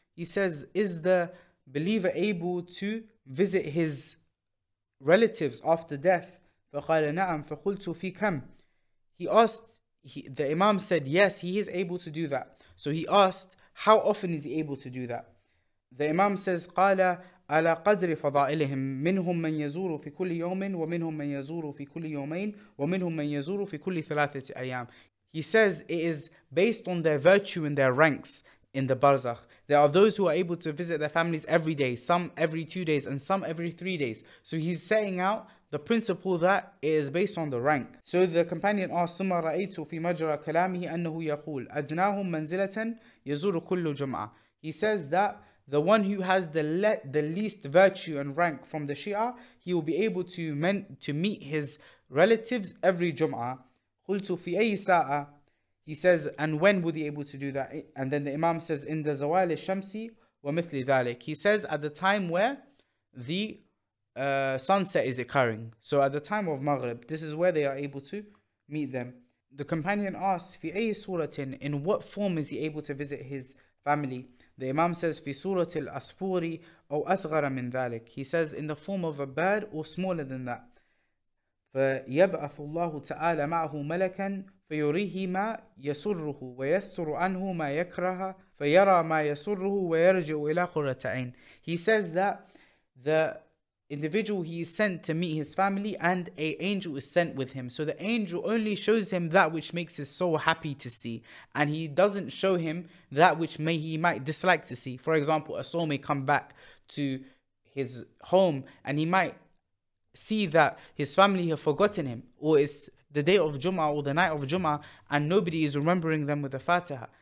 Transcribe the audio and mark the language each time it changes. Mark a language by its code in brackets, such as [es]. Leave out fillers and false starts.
[en] He says, is the believer able to visit his relatives after death? [ar] فَقَالَ نَعَمْ فَقُلْتُ فِي كَمْ. [en] He asked, the Imam said, yes, he is able to do that. So he asked, how often is he able to do that? The Imam says, [ar] قَالَ على قدر فضائلهم منهم من يزور في كل يوم ومنهم من يزور في كل يومين ومنهم من يزور في كل ثلاثة أيام. [en] He says it is based on their virtue and their ranks in the Barzakh. There are those who are able to visit their families every day, some every 2 days and some every 3 days. So he's setting out the principle that it is based on the rank. So the companion asked, [ar] ثم رأيت في مجرى كلامه أنه يقول أدناهم منزلة يزور كل جمعة. [en] He says that the one who has the least virtue and rank from the Shia, he will be able to meet his relatives every Jum'ah. [ar] قلت في أي ساعة. [en] He says, and when will he be able to do that? And then the Imam says, in the [ar] زوال الشمسي ومثل ذلك. [en] He says, at the time where the sunset is occurring. So at the time of Maghrib, this is where they are able to meet them. The companion asks, [ar] في أي سورة, [en] in what form is he able to visit his family? The Imam says, [ar] في سورة الأصفوري أو أصغر من ذلك. [en] He says, in the form of a bird or smaller than that. [ar] فيبعث الله تعالى معه ملكا فيريه ما يسره ويستر عنه ما يكره فيرى ما يسره ويرجع إلى قرة عين. [en] He says that the individual, he is sent to meet his family and a angel is sent with him. So the angel only shows him that which makes his soul happy to see, and he doesn't show him that which may he might dislike to see. For example, a soul may come back to his home and he might see that his family have forgotten him, or it's the day of Jum'ah or the night of Jum'ah and nobody is remembering them with the Fatiha.